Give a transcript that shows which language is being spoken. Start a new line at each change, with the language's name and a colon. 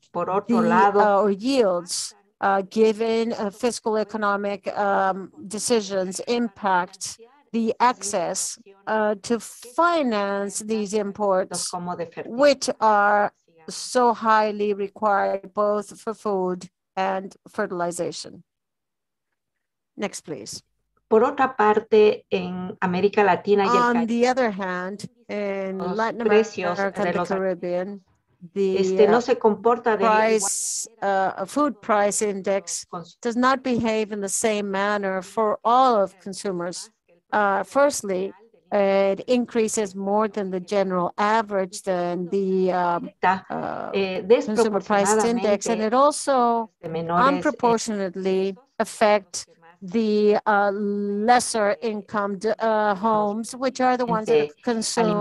English: Or yields, given fiscal economic decisions, impact the access to finance these imports, which are so highly required both for food and fertilization. Next, please.
Spanish: Por otra parte, en América Latina y el
English: Caribe, on the other hand, in Latin America and the Caribbean, food price index does not behave in the same manner for all of consumers. Firstly, it increases more than the general average than the consumer price index, and it also unproportionately affects the lesser income homes, which are the ones that consume